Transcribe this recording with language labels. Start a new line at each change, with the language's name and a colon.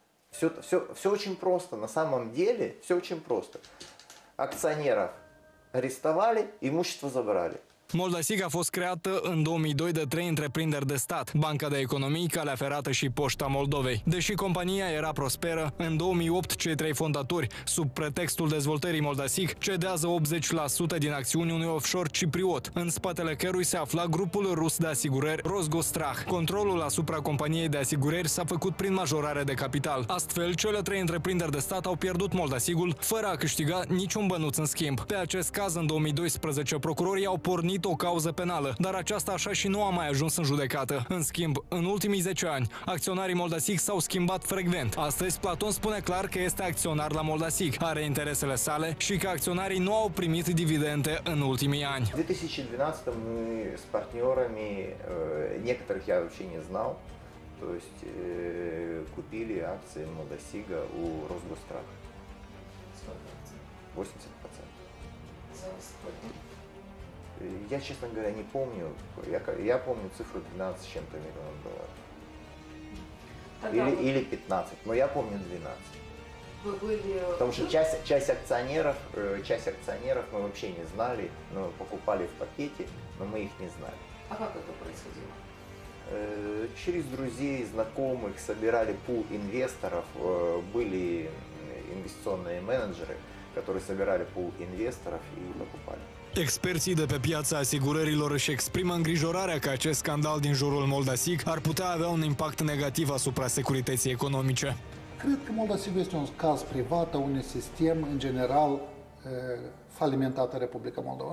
Russian: Все очень просто, на самом деле все очень просто. Акционеров арестовали, имущество забрали.
Romanian: Moldasig a fost creată în 2002 de trei întreprinderi de stat, Banca de Economii, Calea Ferată și Poșta Moldovei. Deși compania era prosperă, în 2008 cei trei fondatori, sub pretextul dezvoltării Moldasig, cedează 80% din acțiuni unui offshore cipriot, în spatele cărui se afla grupul rus de asigurări Rosgostrah. Controlul asupra companiei de asigurări s-a făcut prin majorare de capital. Astfel, cele trei întreprinderi de stat au pierdut Moldasigul, fără a câștiga niciun bănuț în schimb. Pe acest caz, în 2012, procurorii au pornit o cauză penală, dar aceasta așa și nu a mai ajuns în judecată. În schimb, în ultimii 10 ani, acționarii Moldasig s-au schimbat frecvent. Astăzi, Platon spune clar că este acționar la Moldasig, are interesele sale și că acționarii nu au primit dividende în ultimii ani. În 2012, noi, cu partenerii,
Russian: некоторых я вообще не знал, то есть купили акции Moldasig у Росгострах. 80%. Я, честно говоря, не помню. Я помню цифру 12 с чем-то миллионов долларов. Тогда или 15, но я помню 12. Вы были... Потому что часть акционеров мы вообще не знали, но покупали в пакете, но мы их не знали. А как это происходило? Через друзей, знакомых, собирали пул инвесторов. Были инвестиционные менеджеры, которые собирали пул инвесторов и покупали.
Romanian: Experții de pe piața asigurărilor își exprimă îngrijorarea că acest scandal din jurul Moldasig ar putea avea un impact negativ asupra securității economice. Cred că Moldasig este un caz privat a unui sistem în general falimentat în Republica Moldova.